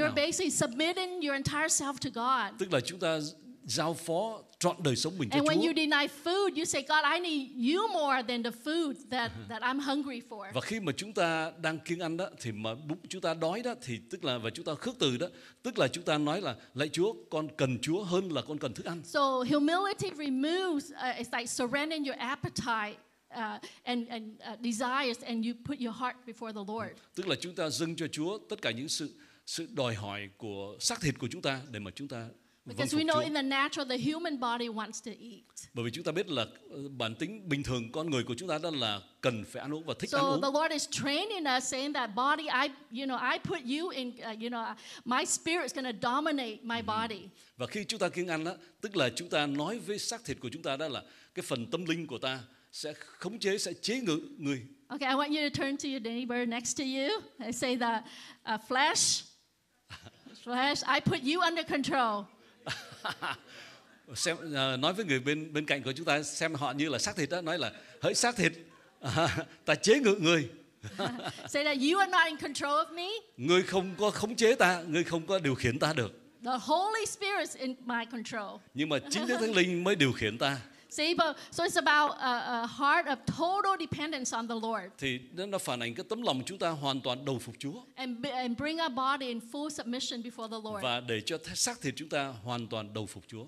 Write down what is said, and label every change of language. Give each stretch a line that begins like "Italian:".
English: You're
Vietnamese: nào.
English: You're basically submitting your entire self to God.
Vietnamese: Tức là chúng ta giao phó trọn đời sống mình cho
English: And when
Vietnamese: Chúa.
English: You deny food, you say, God, I need you more than the food that I'm hungry for.
Vietnamese: Và khi mà chúng ta đang kiêng ăn đó, thì mà bụng chúng ta đói đó, thì tức là và chúng ta khước từ đó, tức là chúng ta nói là, lạy Chúa, con cần Chúa hơn là con cần thức ăn.
English: So humility removes, it's like surrendering your appetite and desires, and you put your heart before the Lord.
Vietnamese: Tức là chúng ta dâng cho Chúa tất cả những sự đòi hỏi của xác thịt của chúng ta để mà chúng ta
English: Because we know in the natural, the human body wants to eat.
Vietnamese: Bởi vì chúng ta biết là bản tính bình thường con người của chúng ta đó là cần phải ăn uống và thích
English: so
Vietnamese: ăn uống.
English: So the Lord is training us, saying that body, I put you in, my spirit is going to dominate my body.
Vietnamese: Và khi chúng ta kiêng ăn đó, tức là chúng ta nói với xác thịt của chúng ta đó là cái phần tâm linh của ta sẽ khống chế, sẽ chế ngự người.
English: Okay, I want you to turn to your neighbor next to you and say that flesh, I put you under control.
Vietnamese: Xem, nói với người bên cạnh của chúng ta xem họ như là xác thịt đó nói là hỡi xác thịt ta chế ngự người.
English: Say that you are not in control of me.
Vietnamese: Người không có khống chế ta, người không có điều khiển ta được.
English: The Holy Spirit is in my control.
Vietnamese: Nhưng mà chính Đức Thánh Linh mới điều khiển ta.
English: See, but, so it's about a heart of total dependence on the Lord.
Vietnamese: Thì nó phản ánh cái tấm lòng chúng ta hoàn toàn đầu phục Chúa.
English: And bring our body in full submission before the Lord.
Vietnamese: Và để cho xác thịt chúng ta hoàn toàn đầu phục Chúa.